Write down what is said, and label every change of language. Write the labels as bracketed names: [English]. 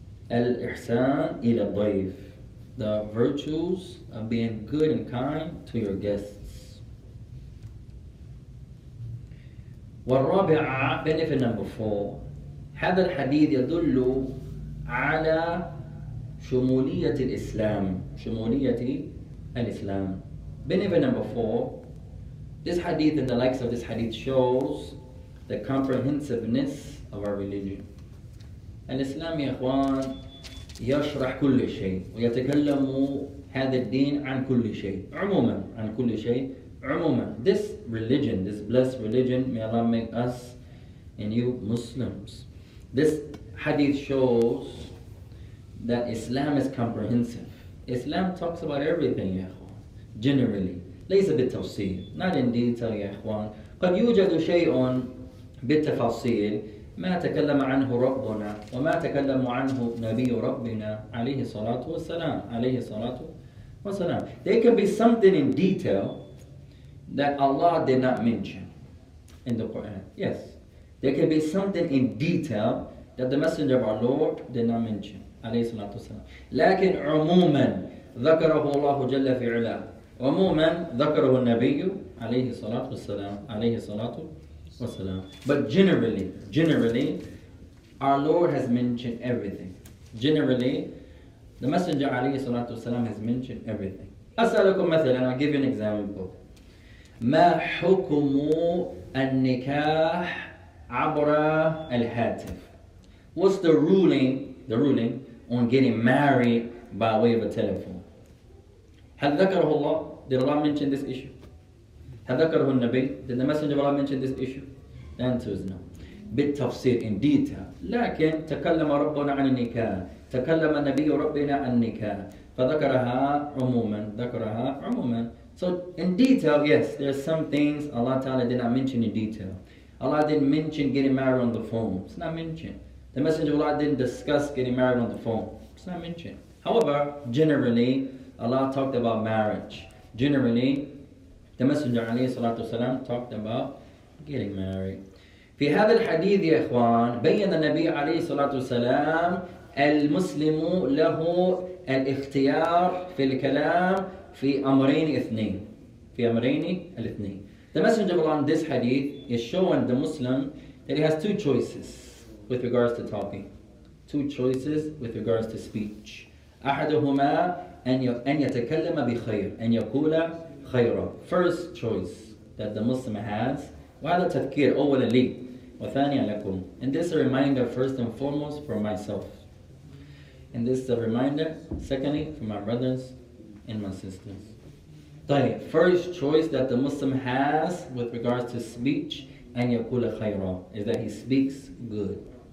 [Arabic] Al-ihsan ila dhaif. [English] The virtues of being good and kind to your guests. [Arabic] والرابعة [English] benefit number four. [Arabic] هذا الحديث يدل على شمولية الإسلام. شمولية الإسلام. [English] Benefit number four. This hadith and the likes of this hadith shows the comprehensiveness of our religion. [Arabic] الإسلام يا إخوان يشرح كل شيء ويتكلم هذا الدين عن كل شيء عموما عن كل شيء. عموما [English] this religion, this blessed religion, may Allah make us and you Muslims. This hadith shows that Islam is comprehensive. Islam talks about everything, [Arabic] ya ikhwan, [English] generally. [Arabic] ليس بالتفصيل, [English] not in detail, ya ikhwan. [Arabic] قد يوجد شيء بالتفاصيل ما تكلم عنه ربنا وما تكلم عنه نبي ربنا عليه الصلاة والسلام عليه الصلاة والسلام. [English] There can be something in detail that Allah did not mention in the Quran. Yes, there can be something in detail that the Messenger of our Lord did not mention [Arabic] عليه الصلاة والسلام. لكن عموما ذكره الله جل في علا عموما ذكره النبي عليه الصلاة والسلام عليه الصلاة والسلام. [English] But generally our Lord has mentioned everything. Generally the Messenger [Arabic] عليه الصلاة والسلام [English] has mentioned everything. [Arabic] أسألكم مثلا, [English] I'll give you an example. [Arabic] ما حكم النكاح عبر الهاتف؟ [English] What's the ruling on getting married by way of a telephone? [Arabic] هل ذكره الله? [English] Did Allah mention this issue? [Arabic] هل ذكره النبي? [English] Did the Messenger of Allah mention this issue? The answer is no. [Arabic] بالتفصيل, [English] in detail. [Arabic] لكن تكلم ربنا عن النكاح, تكلم النبي ربنا عن النكاح, فذكرها عموما, ذكرها عموما. [English] So in detail, yes, there are some things Allah Ta'ala did not mention in detail. Allah didn't mention getting married on the phone. It's not mentioned. The Messenger of Allah didn't discuss getting married on the phone. It's not mentioned. However, generally, Allah talked about marriage. Generally, the Messenger [Arabic] عليه الصلاة والسلام [English] talked about getting married. [Arabic] في هذا الحديث يا إخوان بين النبي عليه الصلاة والسلام المسلم له الاختيار في الكلام في أمرين اثنين. في أمرين الاثنين. [English] The Messenger of Allah in this hadith is showing the Muslim that he has two choices with regards to talking, two choices with regards to speech. [Arabic] أحدهما أن يتكلم بخير, أن يقول خيرا. [English] First choice that the Muslim has, [Arabic] وهذا تذكير أولا لي وثانيا لكم. [English] And this is a reminder first and foremost for myself. And this is a reminder secondly for my brothers and my sisters. [Arabic] طيب, [English] first choice that the Muslim has with regards to speech, [Arabic] أن يقول خيرا, [English] is that he speaks good.